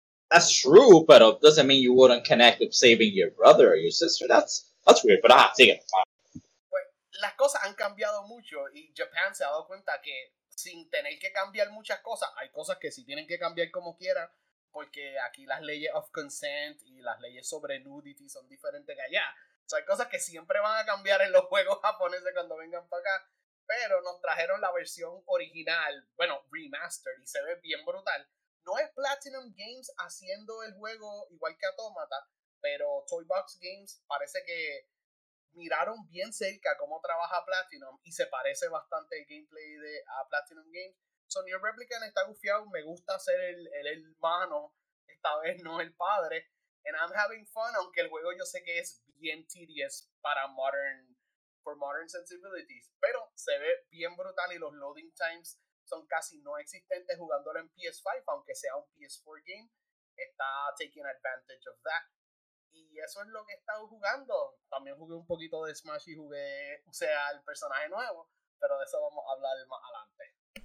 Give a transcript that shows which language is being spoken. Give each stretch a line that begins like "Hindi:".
English: That's true, but it doesn't mean you wouldn't connect with saving your brother or your sister. That's weird, but take it.
Spanish: Pues, las cosas han cambiado mucho y Japan se ha dado cuenta que sin tener que cambiar muchas cosas, hay cosas que sí tienen que cambiar como quieran, porque aquí las leyes
English: of consent
Spanish: y las leyes sobre nudity son diferentes que allá. O sea, hay cosas que siempre van a cambiar en los juegos japoneses cuando vengan para acá, pero nos trajeron la versión original, bueno, remastered, y se ve bien brutal. No es Platinum Games haciendo el juego igual que Automata, pero Toy Box Games parece que miraron bien cerca cómo trabaja Platinum y se parece bastante el gameplay a Platinum Games. So, Nier Replicant está gufiado, me gusta ser el hermano, esta vez no el padre.
English: And I'm having fun,
Spanish: aunque el juego yo sé que es bien
English: tedious
Spanish: para
English: modern sensibilities.
Spanish: Pero se ve bien brutal y los loading times son casi no existentes jugándolo en PS5, aunque sea un PS4 game. Está
English: taking advantage of that.
Spanish: Y eso es lo que he estado jugando. También jugué un poquito de Smash y usé al personaje nuevo, pero de eso vamos a hablar más adelante.